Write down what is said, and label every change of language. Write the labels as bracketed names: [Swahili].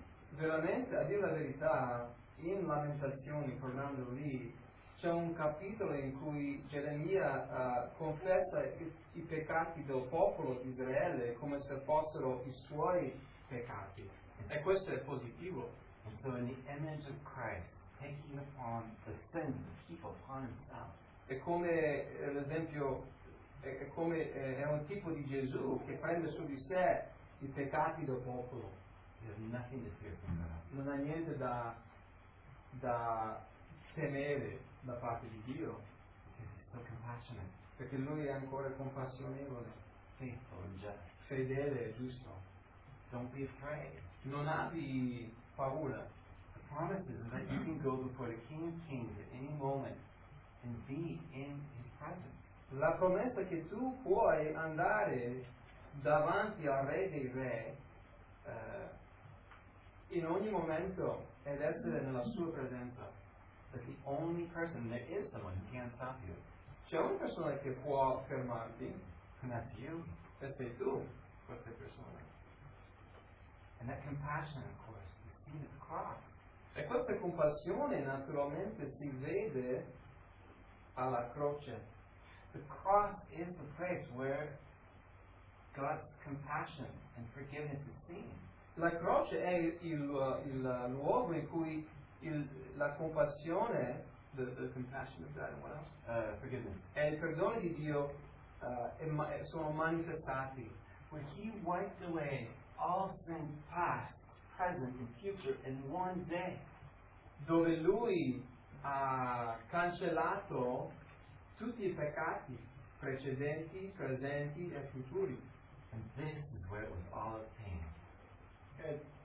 [Italian] Veramente, a dire la verità, in Lamentazioni, tornando lì, c'è un capitolo in cui Geremia confessa i peccati del popolo di Israele come se fossero i suoi peccati. E questo è positivo. [English] And so in the image of Christ, taking upon the sins of the people upon himself. [Italian] È come l'esempio, è un tipo di Gesù che prende su di sé i peccati del popolo. Non ha niente da temere da parte di Dio, [English] so compassionate. [Italian] Perché lui è ancora compassionevole, [English] faithful, just. [Italian] Fedele e giusto. [English] Don't be afraid. [Italian] Non abbi paura. [English] The promise is that you can go before the King of Kings at any moment and be in his presence. [Italian] La promessa è che tu puoi andare davanti al Re dei Re in ogni momento ed essere nella sua presenza. [English] That the only person, there is someone who can't stop you. [Italian] C'è una persona che può fermarti. [English] And that's you. [Italian] E sei tu. Questa persona. [English] And that compassion, of course, is seen at the cross. [Italian] E questa compassione naturalmente si vede alla croce. [English] The cross is the place where God's compassion and forgiveness is seen. [Italian] La croce è il luogo in cui la compassione, [English] the compassion of God, and what else? Forgiveness. [Italian] E il perdono di Dio sono manifestati. [English] When He wiped away all sins past, present, and future in one day. [Italian] Dove Lui ha cancellato tutti i peccati precedenti, presenti e futuri. [English] And this is where it was all obtained.